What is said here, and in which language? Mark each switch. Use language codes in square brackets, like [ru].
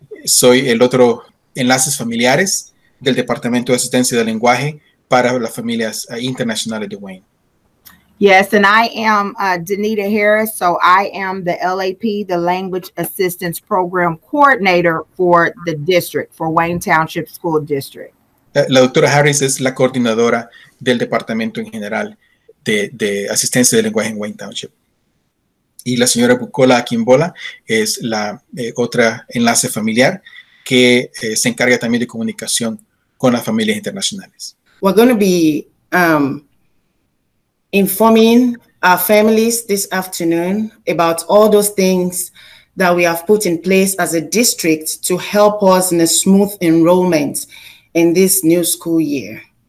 [es] Soy el otro enlaces familiares del Departamento de Asistencia del Lenguaje para las familias internacionales de Wayne. [en] Yes, and I am Danita Harris. So I am the LAP, the Language Assistance Program Coordinator for the district, for Wayne Township School District. [es] La doctora Harris es la coordinadora del Departamento en General de Asistencia del Lenguaje en Wayne Township. Y la señora Bukola Akimbola es la otra enlace familiar que se encarga también de comunicación con las familias internacionales. [en] We're going to be informing our families this afternoon about all those things that we have put in place as a district to help us in a smooth enrollment in this new school year.